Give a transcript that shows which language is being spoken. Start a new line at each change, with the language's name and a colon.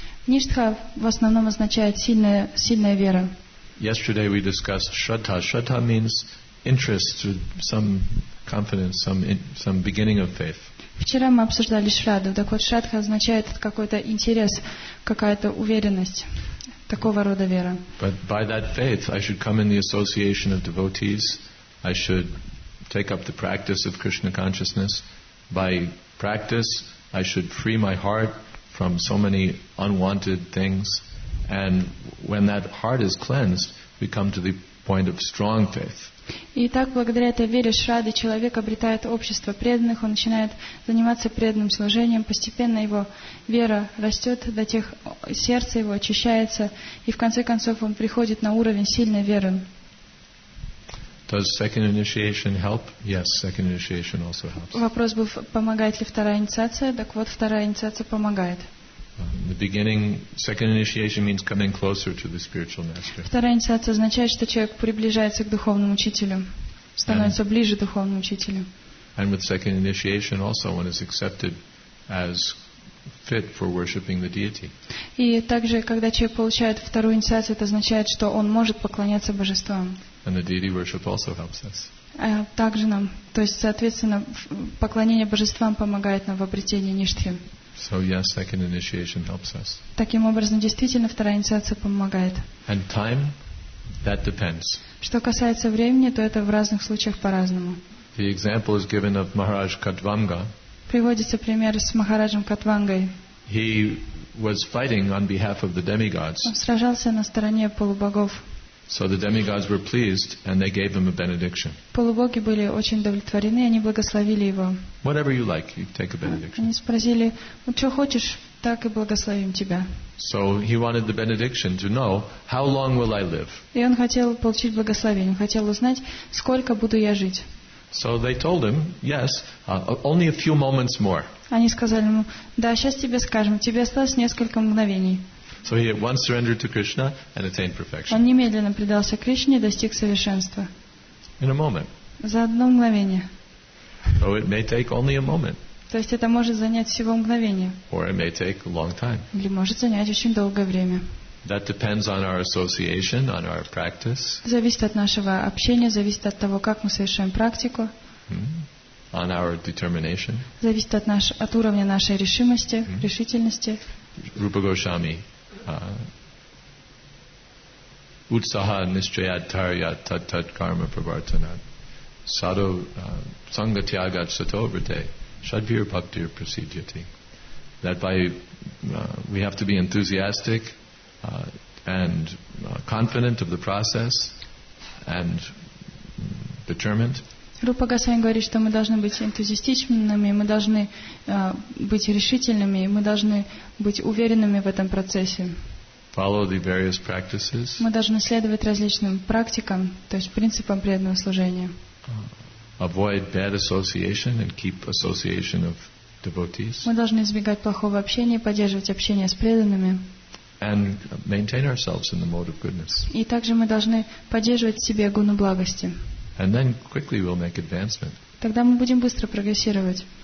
Russian: Ништха в основном означает сильная вера.
English: Yesterday we discussed shraddha. Shraddha means interest, some confidence, some beginning of faith.
Russian: Вчера мы обсуждали шрадду. Так вот, шрадха означает какой-то интерес, какая-то уверенность, такого рода вера.
English: But by that faith, I should come in the association of devotees. I should take up the practice of Krishna consciousness. By practice, I should free my heart from so many unwanted things. And when that heart is cleansed, we come to the point of strong faith.
Russian: И так, благодаря этой вере Шрадды, человек обретает общество преданных, он начинает заниматься преданным служением, постепенно его вера растет до тех, сердце его очищается, и в конце концов он приходит на уровень сильной веры.
English: Does second initiation help? Yes, second initiation also helps.
Russian: Вопрос был, помогает ли вторая инициация? Так вот, вторая инициация помогает.
English: In the beginning, second initiation means coming closer to the spiritual master.
Russian: Вторая инициация означает, что человек приближается к духовному учителю, становится ближе к духовному учителю.
English: And with second initiation, also one is accepted as fit for worshiping the deity.
Russian: И также, когда человек получает вторую инициацию, это означает, что он может поклоняться божествам.
English: And the deity worship also helps us.
Russian: Также нам, то есть, соответственно, поклонение божествам помогает нам в обретении ништхи.
English: So yes, second initiation helps us.
Russian: Таким образом, действительно, вторая инициация помогает.
English: And time, that depends.
Russian: Что касается времени, то это в разных случаях по-разному.
English: The example is given of Maharaj Khatvanga.
Russian: Приводится пример с Махараджем Катвангой.
English: He was fighting on behalf of the demigods.
Russian: Он сражался на стороне полубогов.
English: So the demigods were pleased, and they gave him a benediction.
Russian: Полубоги были очень удовлетворены, они благословили его.
English: Whatever you like, you take a benediction.
Russian: Они спросили, что хочешь, так и благословим тебя.
English: So he wanted the benediction to know how long will I live.
Russian: И он хотел получить благословение, хотел узнать, сколько буду я жить.
English: So they told him, yes, only a few moments more.
Russian: Они сказали ему, да, сейчас тебе скажем, тебе осталось несколько мгновений.
English: So he at once surrendered to Krishna and attained perfection.
Russian: Он немедленно предался Кришне и достиг совершенства.
English: In a moment.
Russian: За одно мгновение.
English: So it may take only a moment.
Russian: То есть это может занять всего мгновение.
English: Or it may take a long time.
Russian: Или может занять очень долгое время.
English: That depends on our association, on our practice.
Russian: Зависит от нашего общения, зависит от того, как мы совершаем практику.
English: On our determination.
Russian: Зависит от уровня нашей решимости, решительности.
English: Rupa Goswami.
Sanskrit: Utsaha nishchayat taryat tat tat karma pravartanat sado sangha tyagat sato vrte shadvir bhaktir prasidyati.
English: That by we have to be enthusiastic and confident of the process and determined.
Russian: Рупа Госвами говорит, что мы должны быть энтузиастичными, мы должны быть решительными, мы должны быть уверенными в этом процессе.
English: Follow the various practices.
Russian: Мы должны следовать различным практикам, то есть принципам преданного служения.
English: Avoid bad association and keep association of devotees.
Russian: Мы должны избегать плохого общения, поддерживать общение с преданными.
English: And maintain ourselves in the mode of goodness.
Russian: И также мы должны поддерживать в себе гуну благости.
English: And then quickly we'll make advancement.
Russian: Тогда мы будем быстро прогрессировать.